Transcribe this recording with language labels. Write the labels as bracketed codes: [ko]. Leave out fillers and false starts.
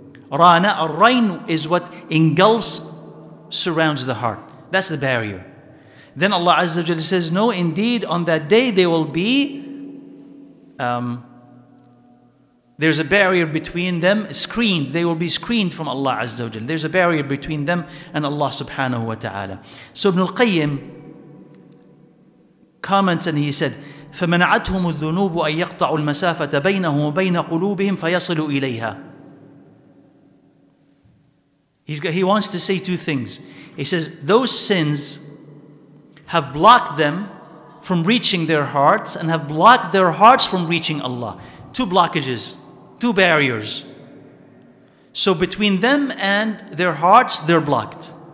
[en] Rana, ar-rain, is what engulfs, surrounds the heart. That's the barrier. Then Allah Azza wa Jalla says, no, indeed, on that day they will be, there's a barrier between them, screened. They will be screened from Allah Azza wa Jalla. There's a barrier between them and Allah subhanahu wa ta'ala. So Ibn al-Qayyim comments and he said, [ar] فَمَنَعَتْهُمُ الذُّنُوبُ أَن يَقْطَعُوا الْمَسَافَةَ بَيْنَهُمْ وَبَيْنَ قُلُوبِهِمْ فَيَصِلُوا إِلَيْهَا. [en] He wants to say two things. He says, those sins have blocked them from reaching their hearts and have blocked their hearts from reaching Allah. Two blockages, two barriers. So between them and their hearts, they're blocked.